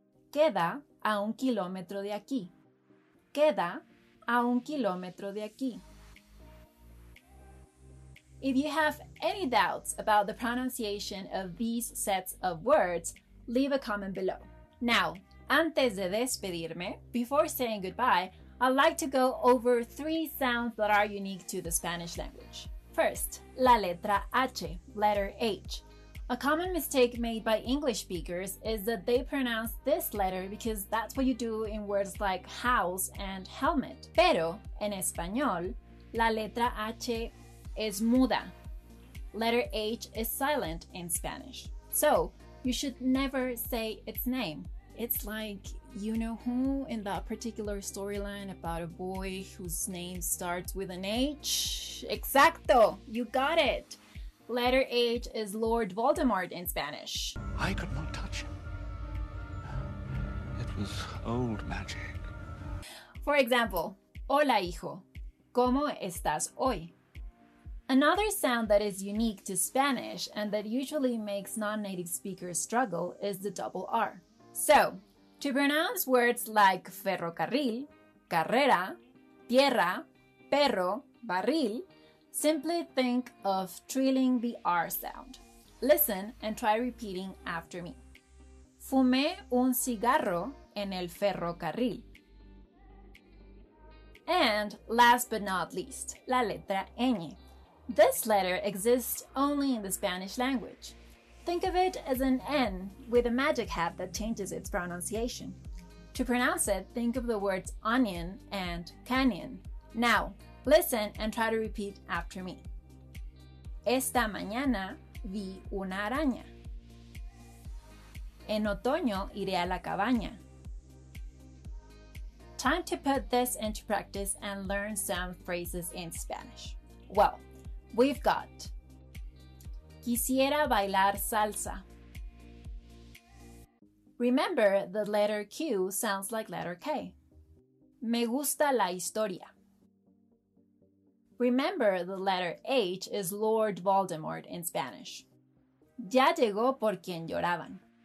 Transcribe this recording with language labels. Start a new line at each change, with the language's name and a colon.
Spanish: Queda a un kilómetro de aquí. Queda a un kilómetro de aquí.
English: If you have any doubts about the pronunciation of these sets of words, leave a comment below. Now,
Spanish: antes de despedirme,
English: before saying goodbye, I'd like to go over three sounds that are unique to the Spanish language. First,
Spanish: la letra H,
English: letter H. A common mistake made by English speakers is that they pronounce this letter because that's what you do in words like house and helmet.
Spanish: Pero, en español, la letra H es muda.
English: Letter H is silent in Spanish. So, you should never say its name. It's like you-know-who in that particular storyline about a boy whose name starts with an H.
Spanish: Exacto!
English: You got it! Letter H is Lord Voldemort in Spanish. I could not touch him. It was old magic. For example,
Spanish: Hola hijo, ¿cómo estás hoy?
English: Another sound that is unique to Spanish and that usually makes non-native speakers struggle is the double R. So, to pronounce words like ferrocarril, carrera, tierra, perro, barril, simply think of trilling the R sound. Listen and try repeating after me.
Spanish: Fumé un cigarro en el ferrocarril.
English: And last but not least,
Spanish: la letra Ñ.
English: This letter exists only in the Spanish language. Think of it as an N with a magic hat that changes its pronunciation. To pronounce it, think of the words onion and canyon. Now, listen and try to repeat after me.
Spanish: Esta mañana vi una araña. En otoño iré a la cabaña.
English: Time to put this into practice and learn some phrases in Spanish. Well, we've got
Spanish: Quisiera bailar salsa.
English: Remember, the letter Q sounds like letter K.
Spanish: Me gusta la historia.
English: Remember, the letter H is Lord Voldemort in Spanish.
Spanish: ya llegó por quien lloraban.